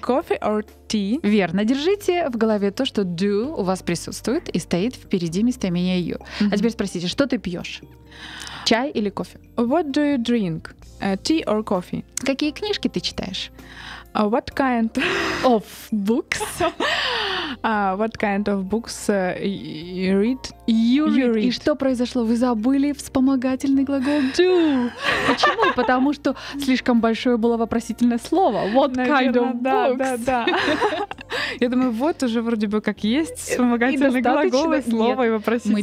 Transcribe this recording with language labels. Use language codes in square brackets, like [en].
[en] coffee or tea? [ru] Верно. Держите в голове то, что do у вас присутствует и стоит впереди местоимения you. Mm-hmm. А теперь спросите, что ты пьешь? Чай или кофе? [en] What do you drink? Tea or coffee? [ru] Какие книжки ты читаешь? [en] What kind of books? What kind of books you read? You read. [ru] И что произошло? Вы забыли вспомогательный глагол do. Почему? Потому что слишком большое было вопросительное слово. [en] What kind of books? Да. [ru] Я думаю, вот уже вроде бы как есть вспомогательный глагол, слово и вопросительное.